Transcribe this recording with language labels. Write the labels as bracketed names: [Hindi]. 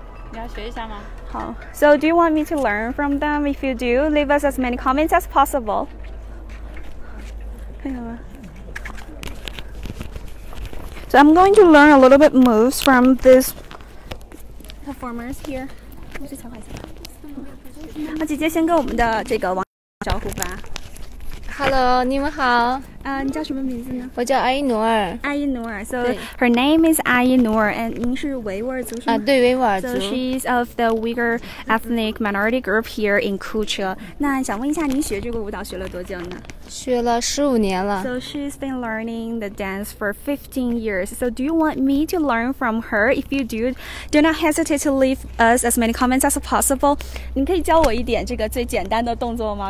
[Chinese] 你要学一下吗? [English] So do you want me to learn from them? If you do, leave us as many comments as possible. So I'm going to learn a little bit moves from these performers here. [Chinese] 那姐姐先跟我们的这个网友打招呼吧。 [English] Hello, [Chinese] 你们好。你叫什么名字呢? 我叫阿依努尔。 [English] 阿依努尔, so her name is 阿依努尔, and [Chinese] 您是维吾尔族是吗? 对,维吾尔族。 [English] So she's of the Uyghur ethnic minority group here in Kuche. [Chinese] 那想问一下您学这个舞蹈学了多久呢? 学了15年了。 [English] So she's been learning the dance for 15 years. So do you want me to learn from her? If you do, do not hesitate to leave us as many comments as possible. [Chinese] 您可以教我一点这个最简单的动作吗?